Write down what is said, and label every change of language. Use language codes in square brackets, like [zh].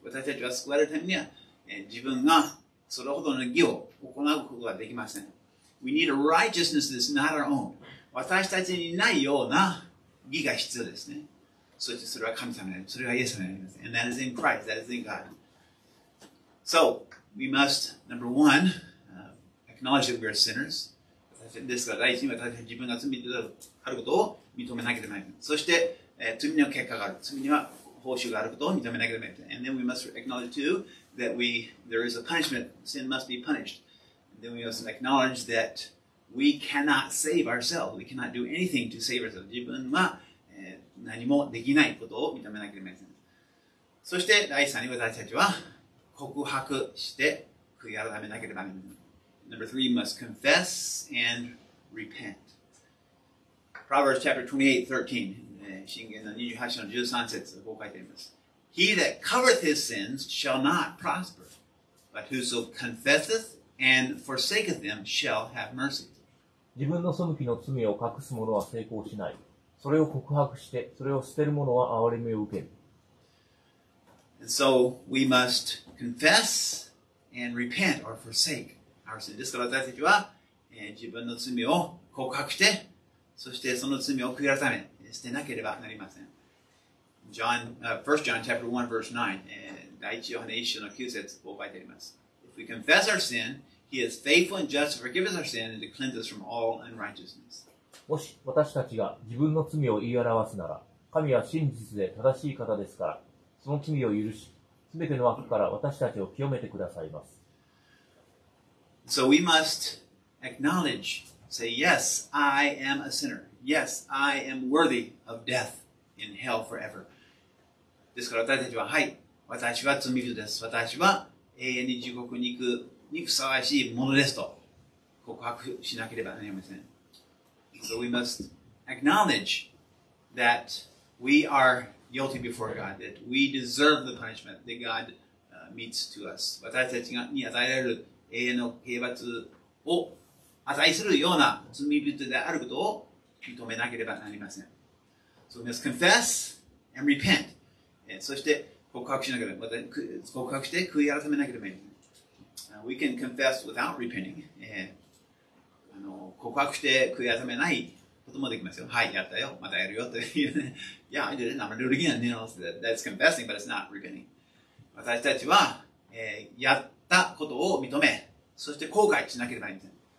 [ja] 私たちは救われるためには、自分がそれほどの義を行うことはできません。 [en] We need a righteousness that is not our own. [ja] 私たちにないような義が必要ですね。そしてそれは神様になります。それはイエス様になります。 [en] And that is in Christ. That is in God. So, we must, number one, acknowledge that we are sinners. [ja] ですから第一に私たちは自分が罪であることを認めなければなりません。そして、罪の結果がある。罪には報酬があることを認めなければなりません。 [en] And then we must acknowledge too,that we, there is a punishment, sin must be punished. And then we must acknowledge that we cannot save ourselves. We cannot do anything to save ourselves. [ja] 自分は、何もできないことを認めなければいけません。そして第三に私たちは告白して悔い改めなければいけません。 [en] Number three, must confess and repent. Proverbs chapter 28, 13, [ja] 箴言の28章の13節、こう書いてあります。 [en] He that covereth his sins shall not prosper, but whoso confesseth and forsaketh them shall have mercy. [ja] 自分の背きの罪を隠す者は成功しない。それを告白して、それを捨てる者は憐れみを受ける。 [en] And so we must confess and repent or forsake our sins. [ja] ですから私たちは、自分の罪を告白して、そしてその罪を悔い改め、捨てなければなりません。 [en] John, 1 John chapter 1 verse 9, [ja] 第一ヨハネ一章の9節を書いてあります。 [en] If we confess our sin, He is faithful and just to forgive us our sin and to cleanse us from all unrighteousness. [ja] もし私たちが自分の罪を言い表すなら、神は真実で正しい方ですから、その罪を許し、すべての悪から私たちを清めてくださいます。 [en] So we must acknowledge, say, yes, I am a sinner. Yes, I am worthy of death in hell forever. [ja] ですから私たちは、はい、私は罪人です。私は永遠に地獄に行くにふさわしいものですと告白しなければなりません。 [en] So we must acknowledge that we are guilty before God, that we deserve the punishment that God meets to us. [ja] 私たちに与えられる永遠の刑罰を値するような罪人であることを認めなければなりません。 [en] So we must confess and repent. [ja] そして告白しなければ、また告白して悔い改めなければいけない。 [en] We can confess without repenting. [ja] 告白して悔い改めないこともできますよ。はい、やったよ。またやるよという、ね。 [en] Yeah, I did it. I'm gonna do it again. You know, so that's confessing, but it's not repenting. [ja] 私たちは、やったことを認め、そして後悔しなければいけない。